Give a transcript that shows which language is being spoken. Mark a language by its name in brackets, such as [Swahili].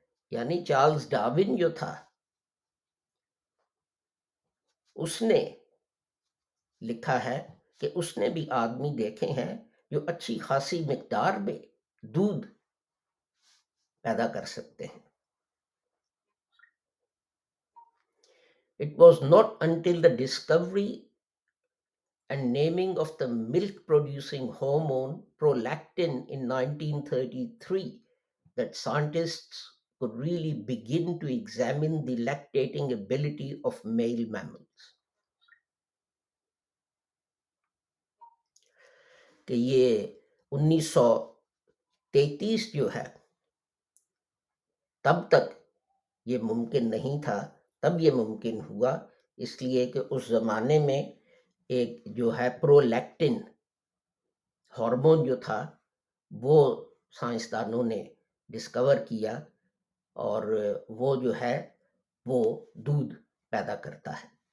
[Urdu] یعنی Charles Darwin جو تھا اس نے لکھا ہے کہ اس نے بھی آدمی دیکھے ہیں جو اچھی خاصی مقدار میں دودھ پیدا کر سکتے ہیں. [English] It was not until the discovery and naming of the milk producing hormone prolactin in 1933 that scientists could really begin to examine the lactating ability of male mammals. [Urdu] کہ یہ 1933 جو ہے تب تک یہ ممکن نہیں تھا, تب یہ ممکن ہوا اس لیے کہ اس زمانے میں ایک جو ہے پرولیکٹن ہارمون جو تھا وہ سائنسدانوں نے ڈسکور کیا اور وہ جو ہے وہ دودھ پیدا کرتا ہے.